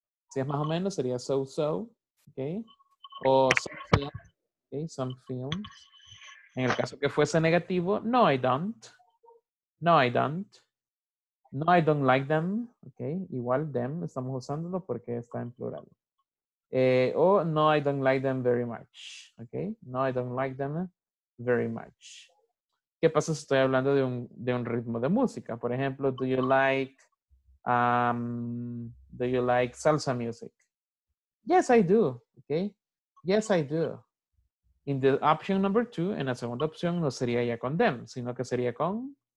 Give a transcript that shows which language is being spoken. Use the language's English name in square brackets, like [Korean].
[Spanish] Si es más o menos, sería so-so, okay? [English] O something, okay, some films. [Spanish] En el caso que fuese negativo, [English] no, I don't. No, I don't. No, I don't like them, okay? [Spanish] Igual them, estamos usándolo porque está en plural. [English] O no, I don't like them very much, okay? No, I don't like them very much. [Spanish] ¿Qué pasa si estoy hablando de un ritmo de música? Por ejemplo, [English] do you like salsa music? Yes, I do, okay? Yes, I do. In the option number two, [Spanish] en la segunda opción, no sería ya con them, sino que sería con...